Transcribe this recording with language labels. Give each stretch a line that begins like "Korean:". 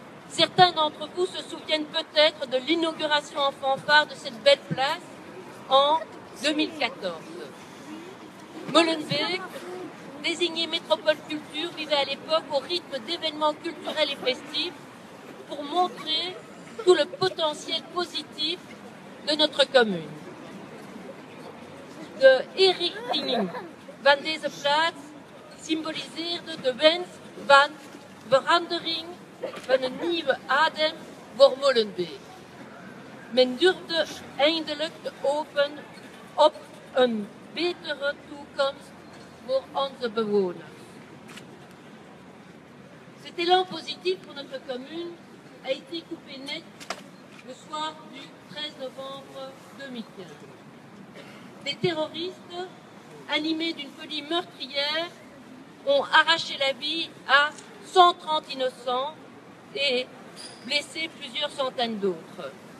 French: Certains d'entre vous se souviennent peut-être de l'inauguration en fanfare de cette belle place en 2014. Molenbeek, désigné métropole culture, vivait à l'époque au rythme d'événements culturels et festifs pour montrer tout le potentiel positif de notre commune.
Dutch: De Eric Tining, Van deze Plaats, symboliseerde de wens van verandering van een nieuwe adem voor Molenbeek. Men durfde eindelijk te hopen op een betere toekomst voor onze bewoners.
French: Cet élan positif pour notre commune a été coupé net le soir du 13 novembre 2015. Des terroristes, animés d'une folie meurtrière, ont arraché la vie à 130 innocents et blessé plusieurs centaines d'autres.